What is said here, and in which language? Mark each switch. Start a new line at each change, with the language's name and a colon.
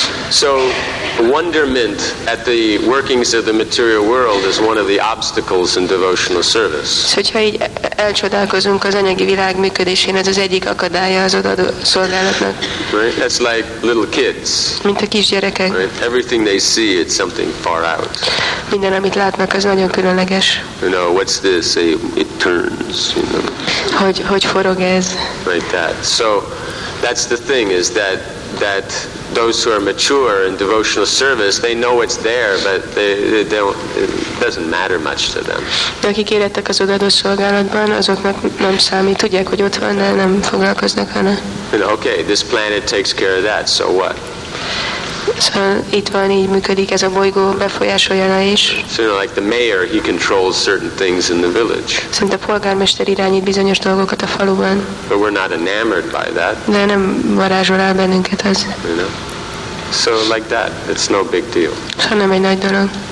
English: So wonderment at the workings of the material world is one of the obstacles in devotional service.
Hungarian: Hogyha így elcsodálkozunk az anyagi világ működésén, ez az egyik akadálya az odaadó szolgálatnak.
English: Right? That's like little kids.
Hungarian: Mint a kisgyerekek.
English: Right? Everything they see, it's something far out.
Hungarian: Minden, amit látnak, az nagyon különleges.
English: You know, what's this? It turns. You know.
Hungarian: Hogy forog ez?
English: Like that. So that's the thing, is that those who are mature in devotional service, they know it's there, but it doesn't matter much to them.
Hungarian: Akik érettek az odaadó szolgálatban, azoknak nem számít. Tudják, hogy ott van, de nem foglalkoznak vele.
English: Okay, this planet takes care of that, so what?
Hungarian: Szóval itt van, így működik ez a bolygó, befolyásoljana is.
English: So, you know, like the mayor, he controls certain things in the village.
Hungarian: Szerint a polgármester irányít bizonyos dolgokat a faluban.
English: But we're not enamored by that.
Hungarian: De nem varázsol el bennünket az.
English: You know? So like that, it's no big deal.
Hungarian: Szóval nem egy nagy dolog.